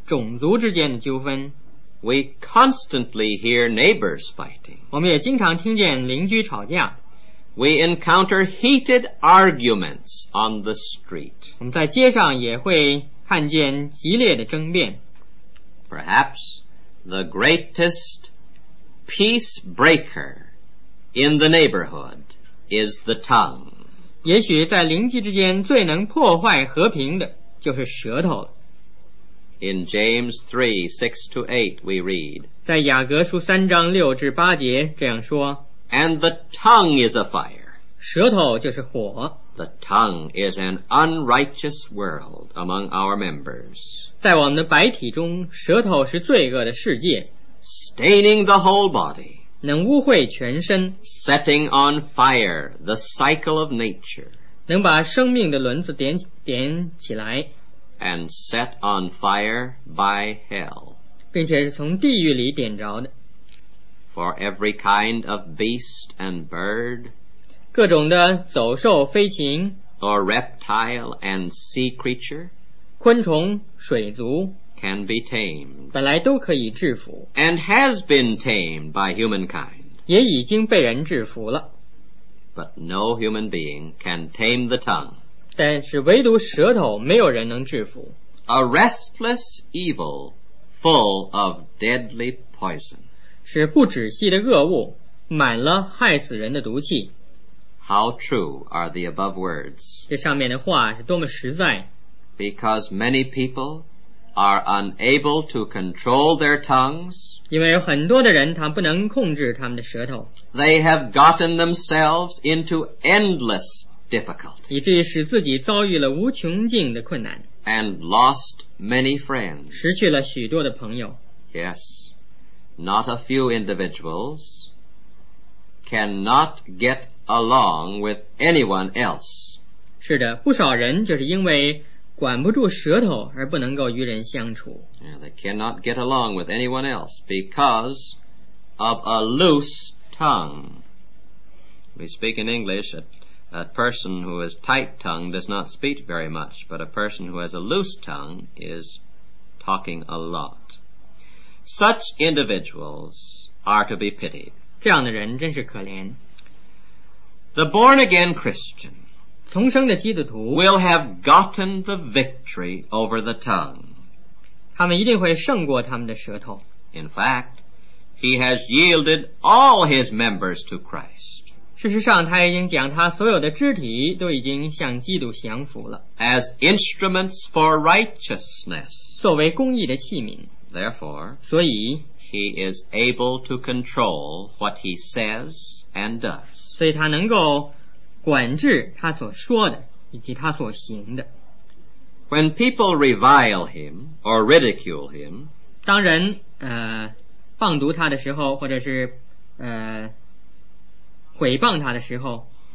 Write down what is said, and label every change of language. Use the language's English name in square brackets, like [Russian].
[Chinese] 种族之间的纠纷 [English] We constantly hear neighbors fighting, [Chinese] 我们也经常听见邻居吵架。 [English] We encounter heated arguments on the street. [Chinese] 我们在街上也会看见激烈的争辩。 [English] Perhaps the greatest peace breaker in the neighborhood is the tongue. [Chinese] 也许在邻居之间最能破坏和平的就是舌头了。 [English] In James 3:6-8 we read, [Chinese] 在雅各书三章六至八节这样说， [English] And the tongue is a fire. [Chinese] 舌头就是火。 [English] The tongue is an unrighteous world among our members. [Chinese] 在我们的白体中，舌头是罪恶的世界。 [English] Staining the whole body. [Chinese] 能污秽全身。 [English] Setting on fire the cycle of nature. [Chinese] 能把生命的轮子点起来。 [English] And set on fire by hell. [Chinese] 并且是从地狱里点着的。 [English] For every kind of beast and bird, [Chinese] 各种的走兽飞禽 [English] or reptile and sea creature, [Chinese] 昆虫水族 [English] can be tamed, [Chinese] 本来都可以制服 [English] and has been tamed by humankind, [Chinese] 也已经被人制服了。 [English] But no human being can tame the tongue, [Chinese] 但是唯独舌头没有人能制服。 [English] A restless evil full of deadly poison, [Chinese] 是不止息的恶物，满了害死人的毒气。 [English] How true are the above words? [Chinese] 这上面的话是多么实在。 [English] Because many people are unable to control their tongues, [Chinese] 因为有很多的人他不能控制他们的舌头。 [English] They have gotten themselves into endless difficulty, [Chinese] 以至于使自己遭遇了无穷尽的困难。 [English] and lost many friends. [Chinese] 失去了许多的朋友。 [English] Yes, not a few individuals cannot get along with anyone else. [Chinese] 是的，不少人就是因为管不住舌头而不能够与人相处。 [English] Yeah, they cannot get along with anyone else because of a loose tongue. We speak in English, a person who is tight-tongued does not speak very much, but a person who has a loose tongue is talking a lot. Such individuals are to be pitied. [Chinese] 这样的人真是可怜。 [English] The born-again Christian [Chinese] 重生的基督徒 [English] will have gotten the victory over the tongue. [Chinese] 他们一定会胜过他们的舌头。 [English] In fact,He has yielded all his members to Christ. [Chinese] 事实上他已经将他所有的肢体都已经向基督降服了。 [English] As instruments for righteousness. [Chinese] 作为公义的器皿。 [English] Therefore, [Chinese] 所以, [English] he is able to control what he says and does. [Chinese] 所以他能够管制他所说的以及他所行的。 [English] When people revile him or ridicule him, [Chinese] 当人放毒他的时候或者是毁谤他的时候